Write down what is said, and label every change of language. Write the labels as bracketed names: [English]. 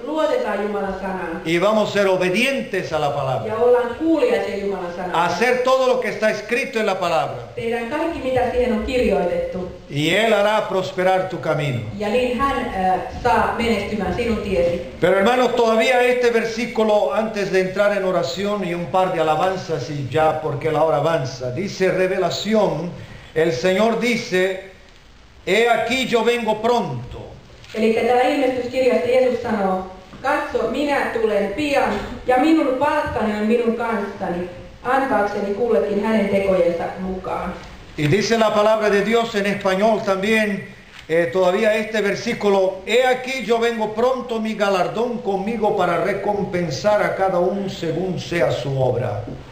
[Finnish] Luotetaan Jumalan sanaan. [Spanish] Y vamos a ser obedientes a la palabra. [Finnish] Ja ollaan kuulijaisia Jumalan sanaan. [Spanish] Hacer todo lo que está escrito en la palabra. [Finnish] Tehdään kaikki, mitä siihen on kirjoitettu. [Spanish] Y Él hará prosperar tu camino. [Finnish] Ja niin hän saa menestymään sinun tiesi. [Spanish] Pero hermanos, todavía este versículo, antes de entrar en oración y un par de alabanzas y ya, porque la hora avanza. Dice revelación, el Señor dice, he aquí yo vengo pronto. [Finnish] Eli täällä ilmestyskirjassa Jeesus sanoo, katso, minä tulen pian, ja minun palkkani on minun kanssani, antaakseni kullekin hänen tekojensa mukaan. [Spanish] Y dice la palabra de Dios en español también, todavía este versículo: he aquí yo vengo pronto, mi galardón conmigo para recompensar a cada uno según sea su obra.